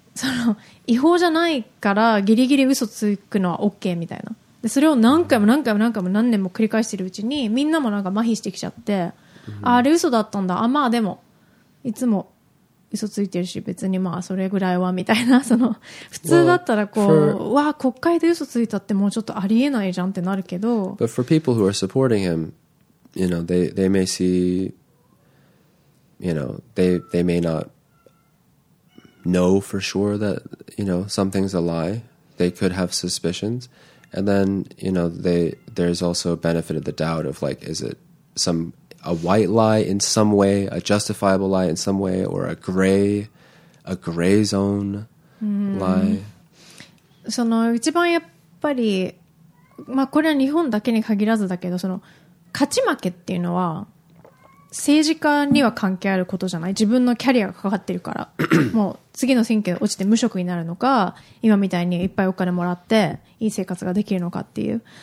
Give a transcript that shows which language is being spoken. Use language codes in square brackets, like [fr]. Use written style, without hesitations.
[ja] その違法じゃないからギリギリ嘘つくのは OK みたいな、でそれを何回も何回も何回も何年も繰り返してるうちにみんなもなんか麻痺してきちゃって、あれ嘘だったんだ、あ、まあでもいつも嘘ついてるし別にまあそれぐらいはみたいな、その普通だったらこう、わあ国会で嘘ついたってもうちょっとありえないじゃんってなるけど、 [en] But for people who are supporting him, you know, they may see, you know, they may notknow for sure that, you know, something's a lie. They could have suspicions. And then, you know, there's also benefit of the doubt of like, is it a white lie in some way, a justifiable lie in some way, or a gray zone lie? [ja] その一番やっぱり、まあこれは日本だけに限らずだけど、その勝ち負けっていうのは政治家には関係あることじゃない。自分のキャリアがかかってるから、もう次の選挙落ちて無職になるのか、今みたいにいっぱいお金もらっていい生活ができるのかっていう。